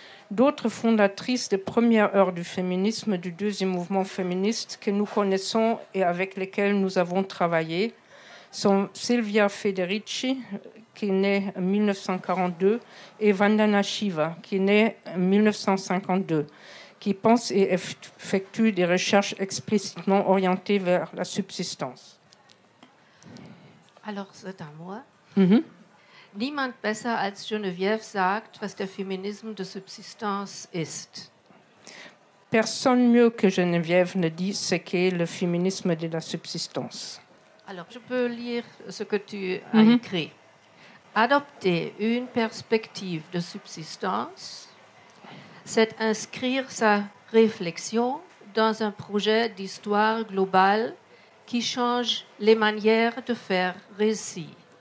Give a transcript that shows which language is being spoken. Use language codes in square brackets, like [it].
[fr] D'autres fondatrices de première heure du féminisme, du deuxième mouvement féministe que nous connaissons et avec lesquelles nous avons travaillé, sont Silvia Federici, qui est née en 1942, et Vandana Shiva, qui est née en 1952, qui pense et effectue des recherches explicitement orientées vers la subsistance. Alors, c'est à moi. Mm-hmm. [de] Niemand besser als Geneviève sagt, was der [fr] Feminisme de subsistance [de] ist. [fr] Personne mieux que Geneviève ne dit ce qu'est le féminisme de la subsistance. Alors, je peux lire ce que tu as écrit. Adopter une perspective de subsistance, c'est inscrire sa réflexion dans un projet d'histoire globale qui change les manières de faire récit.